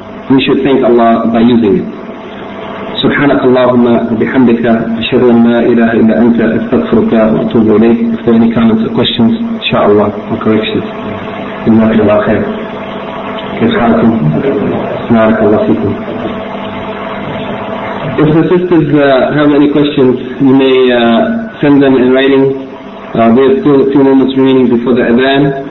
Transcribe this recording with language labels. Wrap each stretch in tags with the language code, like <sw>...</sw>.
<en>We should thank Allah by using it.</en> <ar>سبحانك اللهم وبحمدك أشهد أن لا إله إلا أنت أستغفرك وأتوب إليك.</ar> <en>If there are any comments or questions, إن شاء الله or corrections.</en> <ar>إن شاء الله خير. كيف حالكم؟ بارك الله فيكم.</ar> <en>If the sisters have any questions, you may send them in writing. There are still a few moments remaining before the adhan.</en>